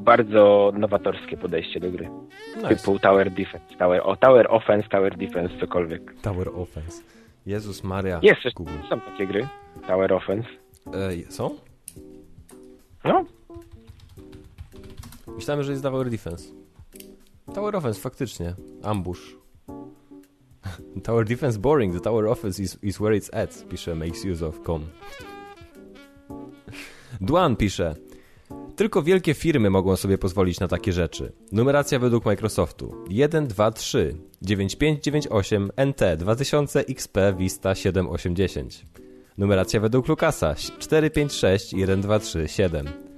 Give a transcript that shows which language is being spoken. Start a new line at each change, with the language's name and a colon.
Polish: Bardzo nowatorskie podejście do gry. Nice. Typu Tower Defense, Tower Offense, cokolwiek. Tower Offense. Jezus Maria. Jest, są takie gry. Tower Offense. Są? No. Myślałem, że jest Tower Defense. Tower Offense, faktycznie. Ambush.
English: Tower defense boring, the tower office is where it's at,
Polish: pisze
English: makesuseof.com.
Polish: Duan pisze, tylko wielkie firmy mogą sobie pozwolić na takie rzeczy. Numeracja według Microsoftu 1, 2, 3, 9598, NT, 2000, XP, Vista, 7, 8, 10. Numeracja według Lucasa 4, 5, 6, 1, 2, 3, 7.